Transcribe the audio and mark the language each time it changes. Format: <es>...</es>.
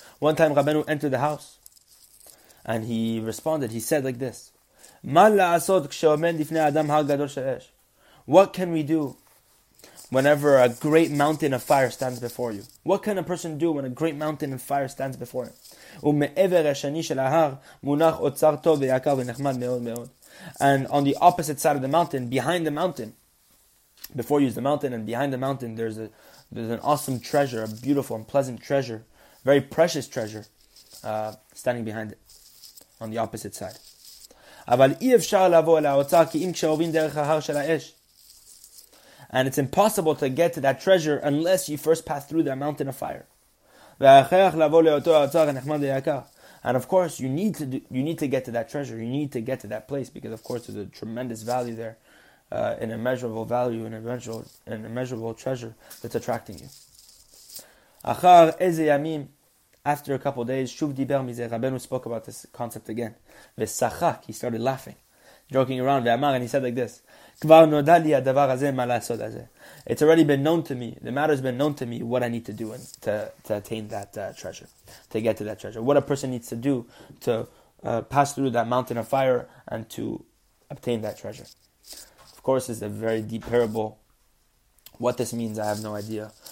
<en>One time Rabenu entered the house, and he responded, he said like this,</en> <he>Ma la'asot k'she'omen difnei adam har gadol she'esh.</he> <en>What can we do whenever a great mountain of fire stands before you? What can a person do when a great mountain of fire stands before him?</en> <he>ומעבר השני של ההר מונח אוצר טוב ויקר ונחמד מאוד מאוד.</he> <en>And on the opposite side of the mountain, behind the mountain, before you is the mountain, and behind the mountain there's an awesome treasure, a beautiful and pleasant treasure, very precious treasure, standing behind it. on the opposite side.</en> <he>אבל אי אפשר לבוא אל האוצר כי אם כשעובים דרך ההר של האש.</he> <en>And it's impossible to get to that treasure unless you first pass through that mountain of fire.</en> <he>ואחריך לבוא לאותו האוצר הנחמד היקר.</he> <en>And of course, you need to get to that treasure. You need to get to that place because, of course, there's a tremendous value there, an immeasurable value, an immeasurable treasure that's attracting you.</en> <he>אחר איזה ימים,</he> <en>after a couple of days,</en> <he>שוב דיבר מזה,</he> <en>Rabbeinu spoke about this concept again.</en> <he>ושחק,</he> <en>he started laughing, joking around,</en> <he>ואמר,</he> <en>and he said like this,</en> <he>כבר נודע לי הדבר הזה, מה לעשות הזה.</he> <en>It's already been known to me, the matter has been known to me, what I need to do to get to that treasure. What a person needs to do to pass through that mountain of fire and to obtain that treasure. Of course, it's a very deep parable. What this means, I have no idea.</en>